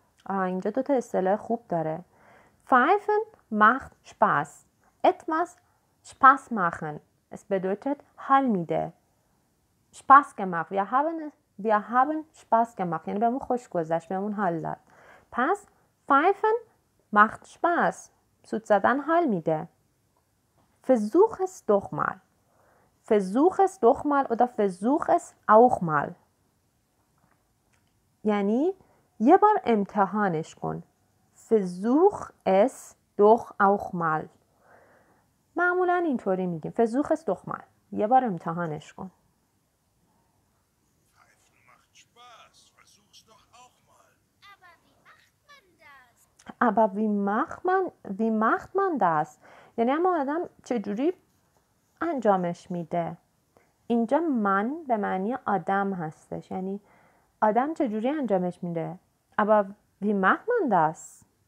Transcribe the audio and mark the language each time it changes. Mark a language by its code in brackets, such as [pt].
[fa] اینجا دوتا اصطلاح خوب داره. [de] Pfeifen macht Spaß. Etwas Spaß machen. Es bedeutet [fa] حال میده. [de] Spaß gemacht. Wir haben Spaß gemacht. [fa] یعنی بهمون خوش گذشت. بهمون حال داد. [de] پس pfeifen macht Spaß. [fa] سوت زدن حال میده. [de] Versuch es doch mal. Versuch es doch mal oder versuch es auch mal. [fa] یعنی یه بار امتحانش کن. [de] Versuch es doch auch mal. [fa] معمولا اینطوری میگیم. [de] Versuch es doch mal. [fa] یه بار امتحانش کن. [de] Aber wie macht man das? [fa] یعنی اما آدم چجوری انجامش میده؟ اینجا من به معنی آدم هستش. یعنی آدم چجوری انجامش میده؟ [de] Aber wie macht man das?